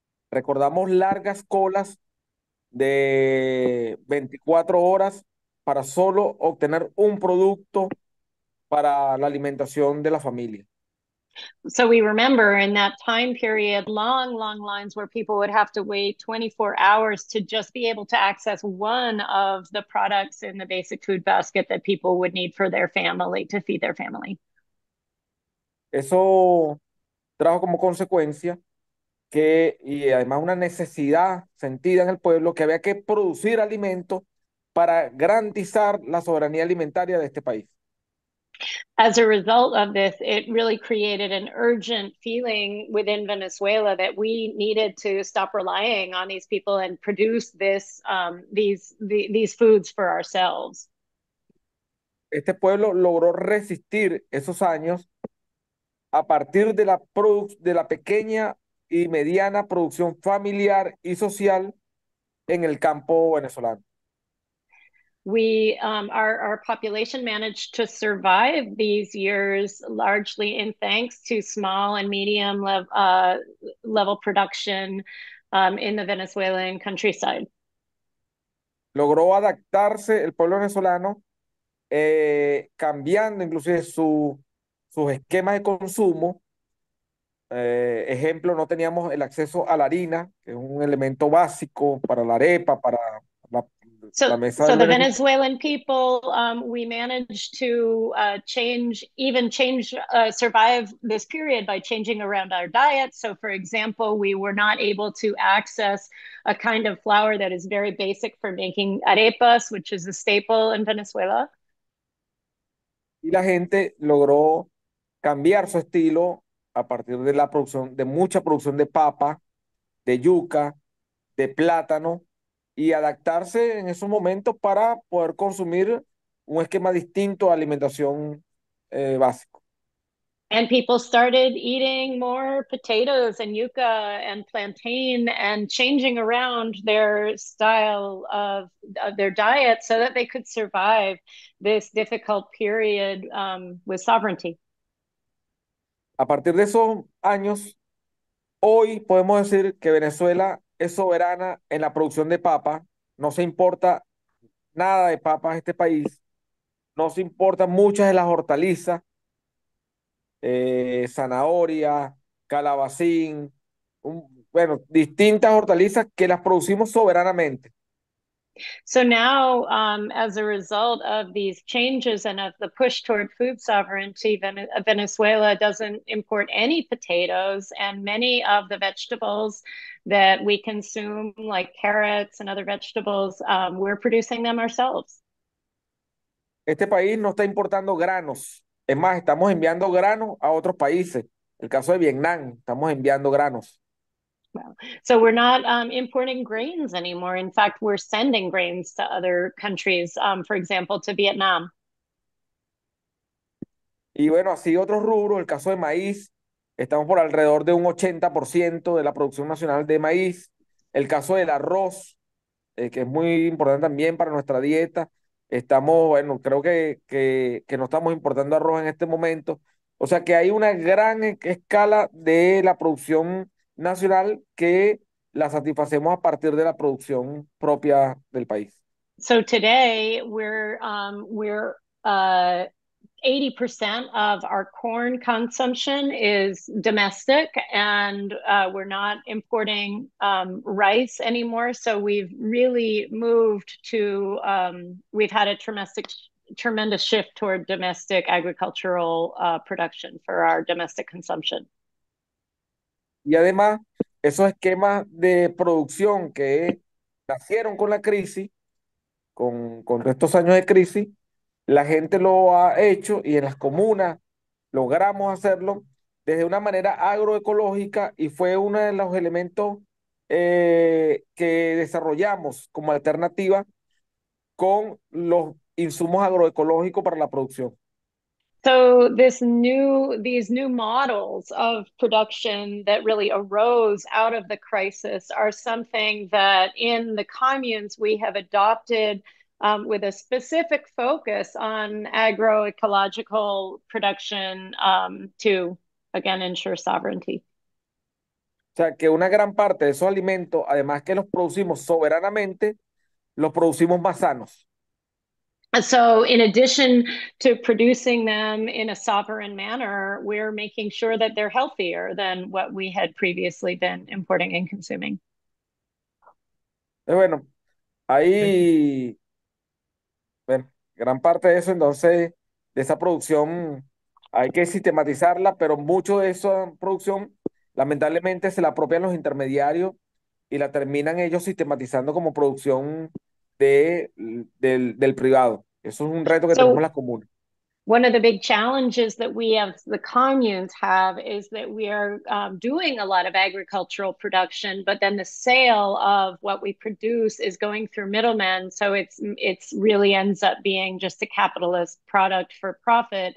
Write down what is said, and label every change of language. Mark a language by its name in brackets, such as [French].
[Spanish] Recordamos largas colas de 24 horas para solo obtener un producto para la alimentación de la familia. [English] So we remember in that time period, long, long lines where people would have to wait 24 hours to just be able to access one of the products in the basic food basket that people would need for their family, to feed their family. [Spanish] Eso trajo como consecuencia que, y además una necesidad sentida en el pueblo, que había que producir alimentos para garantizar la soberanía alimentaria de este país. [English] As a result of this, it really created an urgent feeling within Venezuela that we needed to stop relying on these people and produce this these foods for ourselves. [Spanish] Este pueblo logró resistir esos años a partir de la pequeña y mediana producción familiar y social en el campo venezolano. [English] We, our population managed to survive these years largely in thanks to small and medium level production in the Venezuelan countryside. [Spanish] Logró adaptarse el pueblo venezolano, cambiando inclusive sus esquemas de consumo. Ejemplo, no teníamos el acceso a la harina, que es un elemento básico para la arepa, para [English] So the Venezuelan people, we managed to survive this period by changing around our diet. So for example, we were not able to access a kind of flour that is very basic for making arepas, which is a staple in Venezuela. [Spanish] Y la gente logró cambiar su estilo a partir de la producción, de mucha producción de papa, de yuca, de plátano, y adaptarse en esos momentos para poder consumir un esquema distinto de alimentación básico. [English] And people started eating more potatoes and yuca and plantain and changing around their style of their diet so that they could survive this difficult period with sovereignty. [Spanish] A partir de esos años, hoy podemos decir que Venezuela es soberana en la producción de papa. No se importa nada de papas a este país. No se importan muchas de las hortalizas, zanahoria, calabacín, distintas hortalizas que las producimos soberanamente. [English] So now, as a result of these changes and of the push toward food sovereignty, Venezuela doesn't import any potatoes, and many of the vegetables that we consume, like carrots and other vegetables, we're producing them ourselves. [Spanish] Este país no está importando granos. Es más, estamos enviando granos a otros países. El caso de Vietnam, estamos enviando granos. [English] So we're not importing grains anymore. In fact, we're sending grains to other countries, for example, to Vietnam. [Spanish] Y bueno, así otros rubros, el caso de maíz, estamos por alrededor de un 80% de la producción nacional de maíz. El caso del arroz, que es muy importante también para nuestra dieta, estamos, bueno, creo que no estamos importando arroz en este momento. O sea que hay una gran escala de la producción nacional que la satisfacemos a partir de la producción propia del país. [English] So today we're 80% of our corn consumption is domestic, and we're not importing rice anymore. So we've really moved to we've had a tremendous shift toward domestic agricultural production for our domestic consumption. [Spanish] Y además, esos esquemas de producción que nacieron con la crisis, con estos años de crisis, la gente lo ha hecho y en las comunas logramos hacerlo desde una manera agroecológica, y fue uno de los elementos que desarrollamos como alternativa con los insumos agroecológicos para la producción. [English] So these new models of production that really arose out of the crisis are something that in the communes we have adopted with a specific focus on agroecological production to, again, ensure sovereignty. [Spanish] O sea, que una gran parte de esos alimentos, además que los producimos soberanamente, los producimos más sanos. [English] So in addition to producing them in a sovereign manner, we're making sure that they're healthier than what we had previously been importing and consuming. [Spanish] Bueno, ahí, gran parte de eso, entonces, de esa producción, hay que sistematizarla, pero mucho de esa producción, lamentablemente, se la apropian los intermediarios y la terminan ellos sistematizando como producción del privado. Eso es un reto que tenemos las comunas. [English] One of the big challenges that we have, the communes have, is that we are doing a lot of agricultural production, but then the sale of what we produce is going through middlemen. So it's really ends up being just a capitalist product for profit.